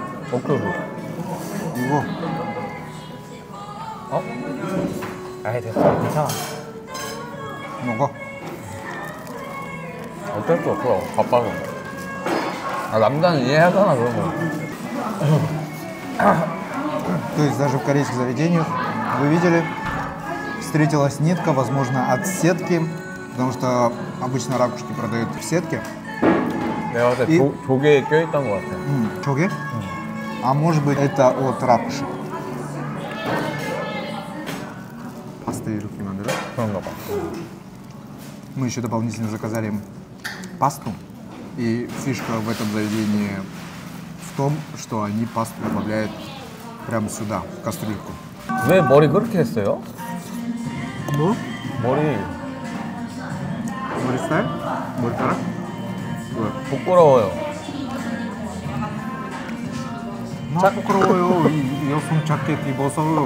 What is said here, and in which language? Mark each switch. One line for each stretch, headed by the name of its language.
Korean: 먹으라고. 이거. 어? 아이 됐어. 괜찮아. 먹어. 어쩔 수 없어, 바빠서. 아, 남자는 이해하잖아, 그런 거.
Russian: То есть даже в корейских заведениях, вы видели, встретилась нитка, возможно, от сетки, потому что обычно ракушки продают в сетке.
Korean: 내가 봤을 때 조개에 껴있던 것 같아. 조개?
Russian: А может быть, это от ракуши.
Korean: 파스타 이렇게 만들어? 그런가 봐.
Russian: Мы еще дополнительно заказали пасту. И фишка в этом заведении в том, что они пасту добавляют прямо сюда, в кастрюльку. Вы
Korean: 머리 그렇게 했어요? 뭐? 머리. 머리 스타일? 머리카락? 왜? 부끄러워요. 나 자, 부끄러워요. 이 여성 자켓 입어서.